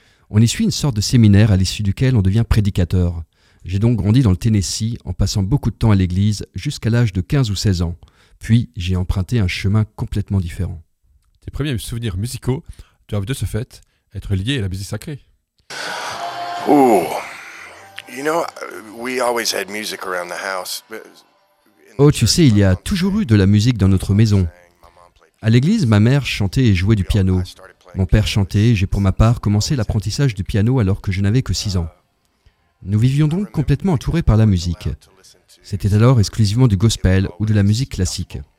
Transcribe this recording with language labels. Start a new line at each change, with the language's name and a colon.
French: On y suit une sorte de séminaire à l'issue duquel on devient prédicateur. J'ai donc grandi dans le Tennessee en passant beaucoup de temps à l'église jusqu'à l'âge de 15 ou 16 ans. Puis j'ai emprunté un chemin complètement différent. Tes premiers souvenirs musicaux doivent de ce fait être liés à la musique sacrée. Ooh.
English: You know, we always had music around the house.
French: Oh, tu sais, il y a toujours eu de la musique dans notre maison. À l'église, ma mère chantait et jouait du piano. Mon père chantait et j'ai pour ma part commencé l'apprentissage du piano alors que je n'avais que 6 ans. Nous vivions donc complètement entourés par la musique. C'était alors exclusivement du gospel ou de la musique classique.